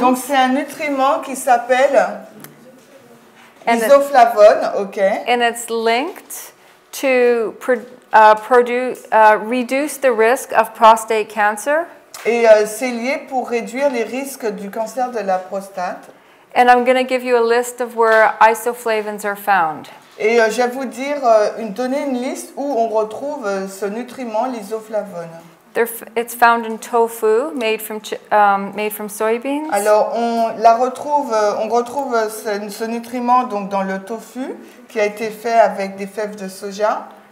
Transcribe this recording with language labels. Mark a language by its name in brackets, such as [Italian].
[French] Donc c'est un nutriment qui s'appelle isoflavone, okay? [English] And it's linked to reduce the risk of prostate cancer. [French] Et c'est lié pour réduire les risques du cancer de la prostate. [English] And I'm going to give you a list of where isoflavones are found. [French] Et je vais vous dire, donner une liste où on retrouve ce nutriment, l'isoflavone. [English] It's found in tofu, made from soybeans. [French] Alors on retrouve ce nutriment donc dans le tofu qui a été fait avec des fèves de soja.